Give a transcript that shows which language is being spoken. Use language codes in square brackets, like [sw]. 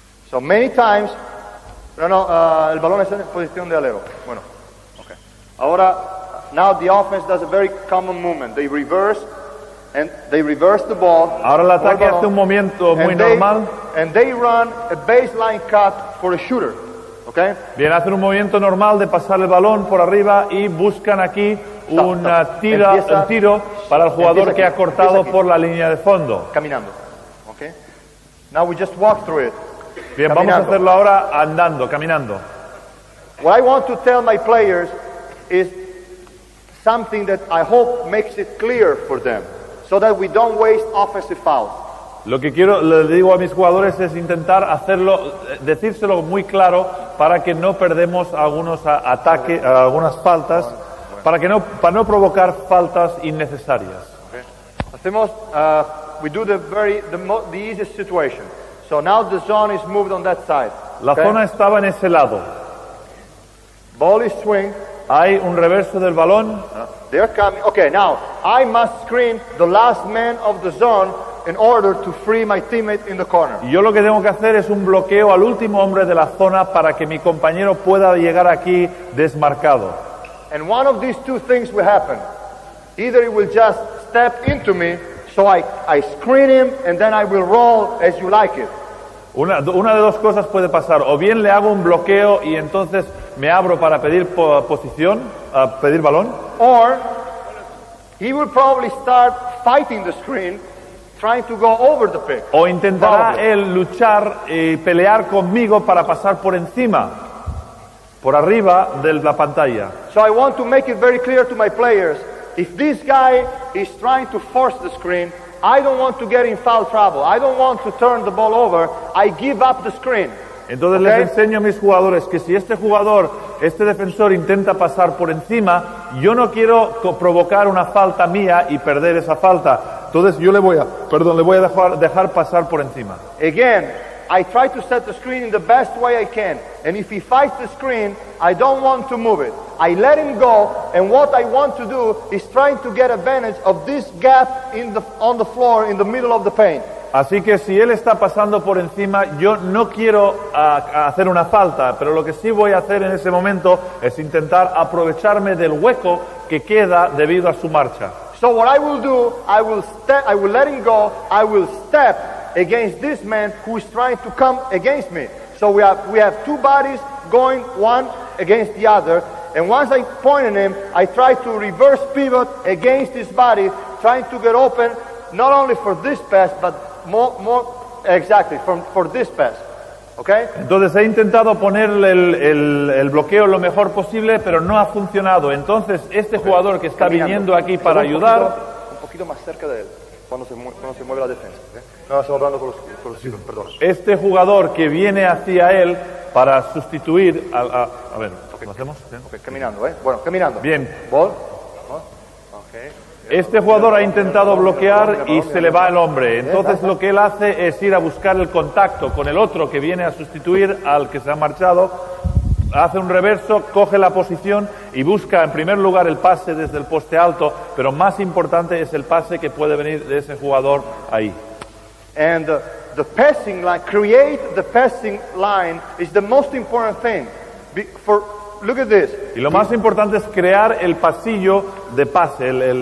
[en] So many times, [es] el balón está en posición de alero. Bueno, okay. Ahora, [en] now the offense does a very common movement. They reverse. And they reverse the ball. [es] Ahora el ataque hace un movimiento muy normal. [en] And they run a baseline cut for a shooter. Okay? [es] Bien, hacen un movimiento normal de pasar el balón por arriba y buscan aquí un tiro para el jugador que ha cortado por la línea de fondo. Caminando. [en] Okay? Now we just walk through it. [es] Bien, vamos a hacerlo ahora andando, caminando. [en] What I want to tell my players is something that I hope makes it clear for them. So that we don't waste offensive fouls. [es] Lo que quiero le digo a mis jugadores es intentar hacerlo, decírselo muy claro para que no perdemos algunos ataques, algunas faltas, para no provocar faltas innecesarias. [en] Okay. [es] Hacemos, [en] we do the easiest situation. So now the zone is moved on that side. [es] Okay? La zona estaba en ese lado. [en] Ball is swing. [es] Hay un reverso del balón. [en] They are coming. Okay, now I must screen the last man of the zone in order to free my teammate in the corner. [es] Yo lo que tengo que hacer es un bloqueo al último hombre de la zona para que mi compañero pueda llegar aquí desmarcado. [en] And one of these two things will happen. Either he will just step into me, so I screen him and then I will roll as you like it. [es] Una de dos cosas puede pasar. O bien le hago un bloqueo y entonces me abro para pedir posición, a pedir balón. [en] Or he will probably start fighting the screen, trying to go over the pick. [es] O intentará él luchar y pelear conmigo para pasar por encima, por arriba de la pantalla. [en] So I want to make it very clear to my players, if this guy is trying to force the screen, I don't want to get in foul trouble. I don't want to turn the ball over. I give up the screen. [es] Entonces okay? Les enseño a mis jugadores que si este jugador, este defensor intenta pasar por encima, yo no quiero provocar una falta mía y perder esa falta. Entonces yo le voy a dejar pasar por encima. [en] Again, I try to set the screen in the best way I can. And if he fights the screen, I don't want to move it. I let him go, and what I want to do is trying to get advantage of this gap in the, on the floor in the middle of the paint. [es] Así que si él está pasando por encima, yo no quiero hacer una falta, pero lo que sí voy a hacer en ese momento es intentar aprovecharme del hueco que queda debido a su marcha. [en] So what I will do, I will let him go, I will step against this man who is trying to come against me. So we have two bodies going one against the other, and once I point at him, I try to reverse pivot against his body, trying to get open not only for this pass, but more exactly for this pass. Okay? [es] Entonces he intentado ponerle el bloqueo lo mejor posible, pero no ha funcionado. Entonces este jugador que está viniendo aquí para ayudar, un poquito más cerca de él cuando se mueve la defensa. Okay? No, estamos hablando con los chicos, perdón. Este jugador que viene hacia él para sustituir a ver, okay. ¿Lo hacemos? ¿Sí? Okay, caminando, ¿eh? Bueno, caminando. Bien. [en] ¿Ball? Okay. [es] Este jugador ha intentado bloquear y se le va el hombre. Entonces lo que él hace es ir a buscar el contacto con el otro que viene a sustituir al que se ha marchado. Hace un reverso, coge la posición y busca en primer lugar el pase desde el poste alto, pero más importante es el pase que puede venir de ese jugador ahí. [en] And the passing line, create the passing line is the most important thing. Look at this. [es] Y lo más importante es crear el pasillo de pase,